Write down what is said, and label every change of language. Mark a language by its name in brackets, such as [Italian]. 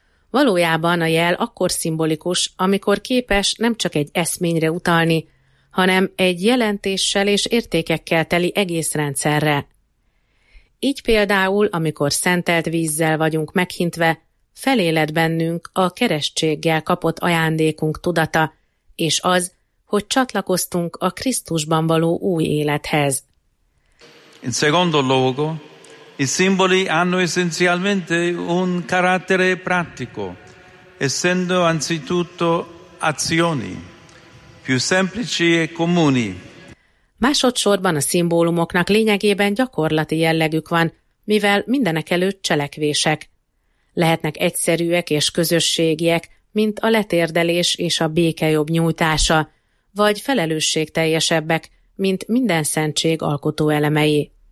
[Hungarian] Valójában a jel akkor szimbolikus, amikor képes nem csak egy eszményre utalni, hanem egy jelentéssel és értékekkel teli egész rendszerre. Így például, amikor szentelt vízzel vagyunk meghintve, feléled bennünk a keresztséggel kapott ajándékunk tudata, és az, hogy csatlakoztunk a Krisztusban való új élethez. [Italian] In secondo luogo, i simboli hanno essenzialmente un carattere pratico, essendo anzitutto azioni, più semplici e comuni. [Hungarian] Másodszorban a szimbólumoknak lényegében gyakorlati jellegük van, mivel mindenek előtt cselekvések. Lehetnek egyszerűek és közösségiek, mint a letérdelés és a béke jobb nyújtása, vagy felelősségteljesebbek, mint minden szentség alkotó elemei.